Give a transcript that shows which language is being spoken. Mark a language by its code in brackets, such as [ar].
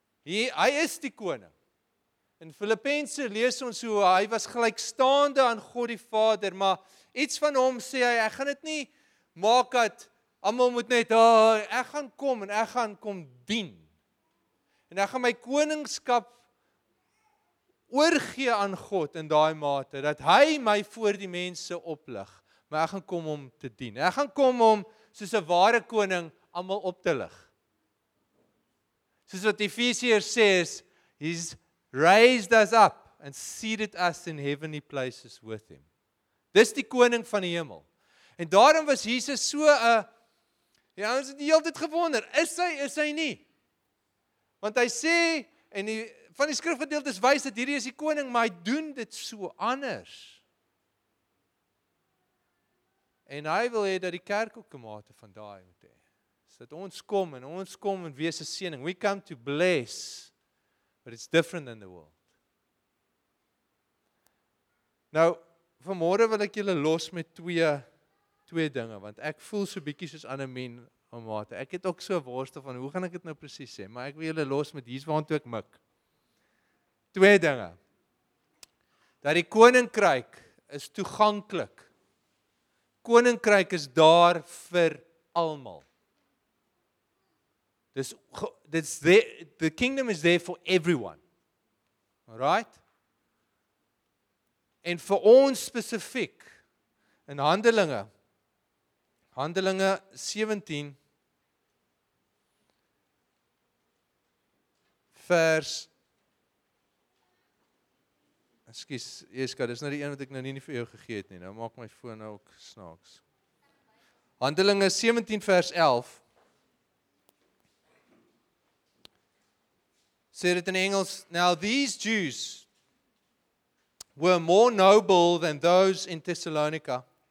[af] Hy is die koning. In Filippense lees ons hoe hy was gelykstaande aan God die Vader, maar iets van hom sê hy, ek gaan dit nie maak dat almal moet net, ek gaan kom en ek gaan kom dien. En ek gaan my koningskap oorgee aan God in daai mate, dat hy my voor die mense oplig. Maar ek gaan kom om te dien. Ek gaan kom om, soos 'n ware koning, almal op te lig. Soos wat Efesiërs sê, [en] he's raised us up and seated us in heavenly places with him. [af] Dis die koning van die hemel. En daarom was Jesus so 'n, die ouens het die hele tyd gewonder, is hy nie? Want hy sê, en die, van die skrifgedeeltes wys dat hierdie is die koning, maar hy doen dit so anders. En hy wil hê dat die kerk ook 'n mate van daai moet hê. Sodat ons kom en wees 'n seëning. [en] We come to bless, but it's different than the world. [af] Nou, vanmôre wil ek julle los met twee dinge, want ek voel so bietjie soos Anamien om mate. Ek het ook so worstel van hoe gaan ek dit nou presies sê, maar ek wil julle los met hier's waartoe ek mik. Twee dinge. Dat die koninkryk is toeganklik. Koninkryk is daar vir almal. [en] The kingdom is there for everyone. Alright? [af] En vir ons spesifiek in Handelinge 17 vers Ekskuus, Jeska, dis nou die een wat ek nou nie vir jou gegee het nie. Nou maak my foon nou ook snaaks. Handelinge 17 vers 11 sê dit in Engels, [en] now these Jews were more noble than those in Thessalonica.